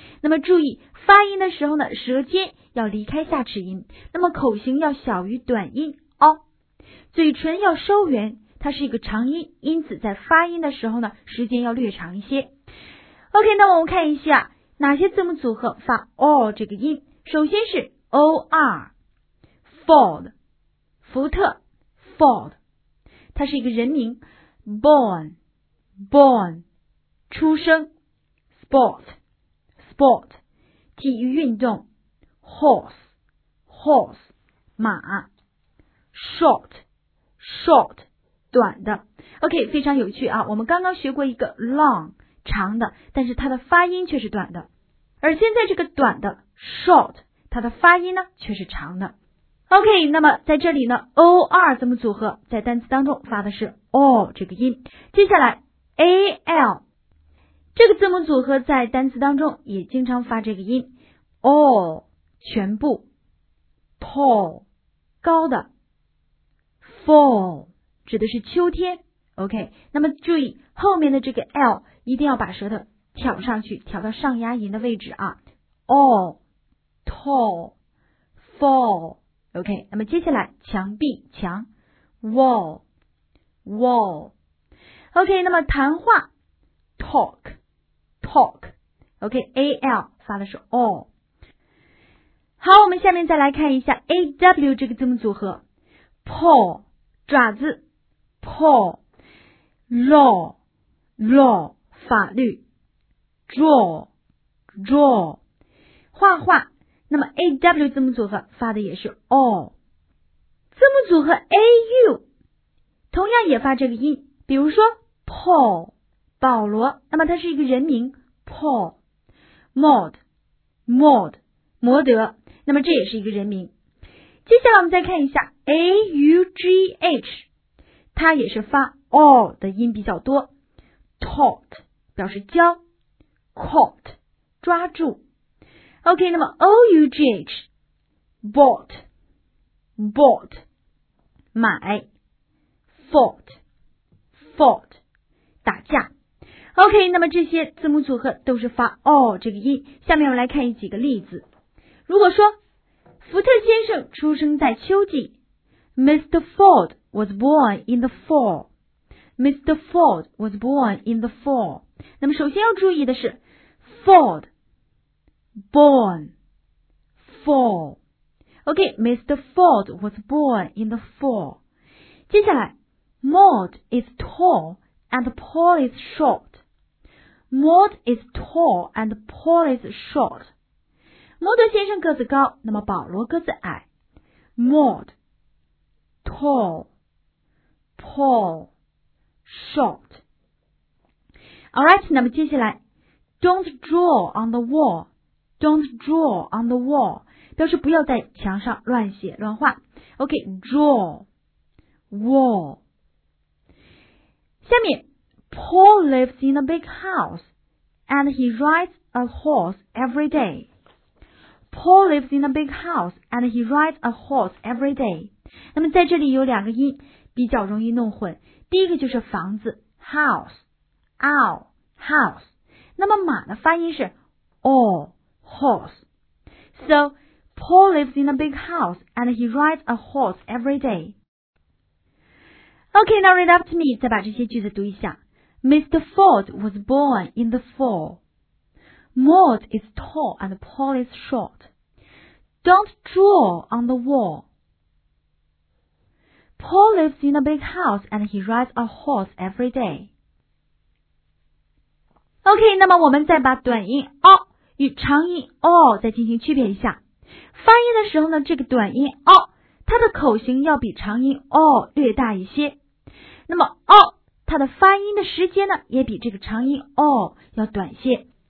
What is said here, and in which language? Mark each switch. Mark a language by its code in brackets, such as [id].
[zh] 那么注意发音的时候呢，舌尖要离开下齿音，那么口型要小于短音哦，嘴唇要收圆，它是一个长音，因此在发音的时候呢，时间要略长一些。 OK， 那我们看一下哪些字母组合发 OR 这个音。首先是 OR， Ford， 福特， Ford， 它是一个人名。 [en] Born， Born， 出生。 Sport， Sport， 体育运动。 Horse， Horse， 马。 Short， Short， 短的。 [zh] OK， 非常有趣啊，我们刚刚学过一个 long 长的，但是它的发音却是短的，而现在这个短的 short 它的发音呢却是长的。 OK， 那么在这里呢 OR 怎么组合在单词当中发的是 OR 这个音。接下来 AL 这个字母组合在单词当中也经常发这个音。 All 全部， Tall 高的， Fall 指的是秋天。 OK， 那么注意后面的这个 L 一定要把舌头挑上去，挑到上牙龈的位置啊。 All， Tall， Fall， OK， 那么接下来墙壁，墙， Wall， Wall， OK， 那么谈话， Talk， Talk， OK， AL 发的是 All。好，我们下面再来看一下 AW 这个字母组合。 [en] Paw， 爪子， Paw。Law， Law， 法律。 Draw， Draw， 画画。 [zh] 那么 AW 字母组合发的也是 all。字母组合 AU 同样也发这个音，比如说 Paul， 保罗，那么它是一个人名。 [en] Paul。 [zh] Maud， Maud， 摩德，那么这也是一个人名。接下来我们再看一下 AUGH， 它也是发 all 的音比较多。 Taught， 表示教。Caught， 抓住。 OK， 那么 O-U-G-H， Bought， Bought， 买。 [en] Fought， Fought， 打架。 [zh] OK， 那么这些字母组合都是发 OR 这个音。下面我们来看几个例子。如果说福特先生出生在秋季， Mr. [en] Ford was born in the fall， Mr. Ford was born in the fall。 [zh] 那么首先要注意的是 [en] Ford， born， fall， OK， Mr. Ford was born in the fall。 接下来 Maud is tall and Paul is short， Maud is tall and Paul is short， [zh] 摩德先生个子高，那么保罗个子矮。 [en] Maud tall， Paul short。 Alright， [zh] 那么接下来 [en] Don't draw on the wall， Don't draw on the wall， [zh] 表示不要在墙上乱写乱画。 [en] OK， draw， wall。下面 Paul lives in a big house and he rides a horse every day， Paul lives in a big house and he rides a horse every day。 [zh] 那么在这里有两个音比较容易弄混，第一个就是房子 house， ow， house，那么马的发音是 all horse。 [en] So Paul lives in a big house and he rides a horse every day。 OK， now read up to me， [zh] 再把这些句子读一下。 [en] Mr. Ford was born in the fall， Maud is tall and Paul is short， Don't draw on the wall， Paul lives in a big house and he rides a horse every day。 [zh] OK， 那么我们再把短音 O 与长音 O 再进行区别一下。发音的时候呢，这个短音 O 它的口型要比长音 O 略大一些，那么 O 它的发音的时间呢也比这个长音 O 要短些。